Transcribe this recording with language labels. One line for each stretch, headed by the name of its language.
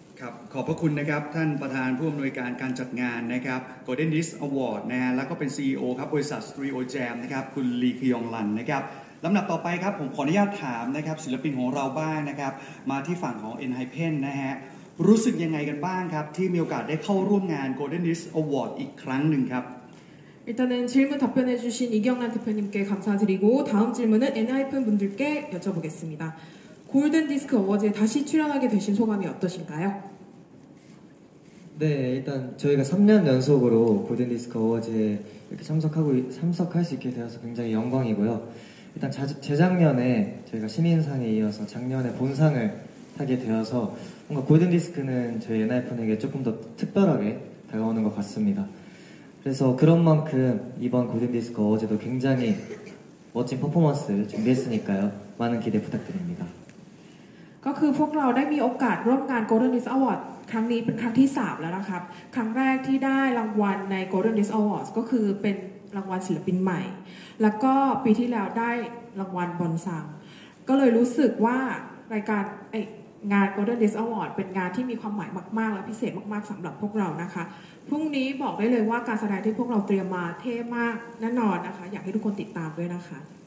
Thai: ครับขอบพระคุณนะครับท่านประธานผู้อำนวยการการจัดงานนะครับ Golden Disc Award นะแล้วก็เป็น CEO ครับบริษัท Studio Jam นะครับคุณลีคยองลันนะครับลำดับต่อไปครับผมขออนุญาตถามนะครับศิลปินของเราบ้างนะครับมาที่ฝั่งของ Enhypen นะฮะรู้สึกยังไงกันบ้างครับที่มีโอกาสได้เข้าร่วมงาน Golden Disc Award อีกครั้งนึงครับ
Korean: 일단은 질문 답변해 주신 이경란 대표님께 감사드리고 다음 질문은 엔하이픈 분들께 여쭤보겠습니다. 골든 디스크 어워즈에 다시 출연하게 되신 소감이 어떠신가요? 네, 일단 저희가 3년 연속으로 골든 디스크 어워즈에 이렇게 참석할 수 있게 되어서 굉장히 영광이고요. 일단 재작년에 저희가 신인상에 이어서 작년에 본상을 타게 되어서 뭔가 골든 디스크는 저희 엔하이픈에게 조금 더 특별하게 다가오는 것 같습니다. 그래서 그런 만큼 이번 골든 디스크 어워즈도 굉장히 멋진 퍼포먼스를 준비했으니까요. 많은 기대 부탁드립니다.
Thai: ก็คือพวกเราได้มีโอกาสร่วมงาน Golden Disc Award ครั้งนี้เป็นครั้งที่3แล้วนะครับครั้งแรกที่ได้รางวัลใน Golden Disc Award ก็คือเป็นรางวัลศิลปินใหม่แล้วก็ปีที่แล้วได้รางวัลบอนซังก็เลยรู้สึกว่ารายการงาน Golden Disc Award เป็นงานที่มีความหมายมากๆและพิเศษมากๆสำหรับพวกเรานะคะพรุ่งนี้บอกได้เลยว่าการแสดงที่พวกเราเตรียมมาเท่มากแน่นอนนะคะอยากให้ทุกคนติดตามด้วยนะคะ